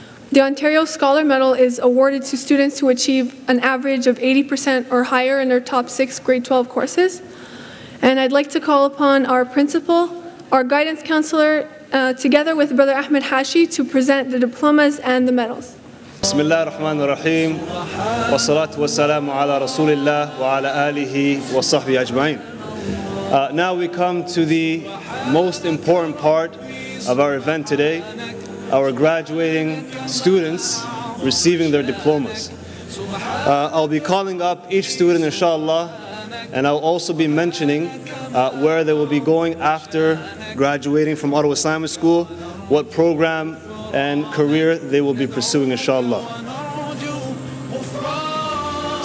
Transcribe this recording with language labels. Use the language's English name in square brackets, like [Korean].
[English] The Ontario Scholar Medal is awarded to students who achieve an average of 80% or higher in their top 6 grade 12 courses. And I'd like to call upon our principal, our guidance counselor, together with Brother Ahmed Hashi, to present the diplomas and the medals. [Arabic] بسم الله الرحمن الرحيم والصلاة والسلام على رسول الله وعلى آله وصحبه أجمعين. [English] Now we come to the most important part of our event today, our graduating students receiving their diplomas. I'll be calling up each student inshallah, and I'll also be mentioning where they will be going after graduating from Ottawa Islamic School, what program and career they will be pursuing, inshallah.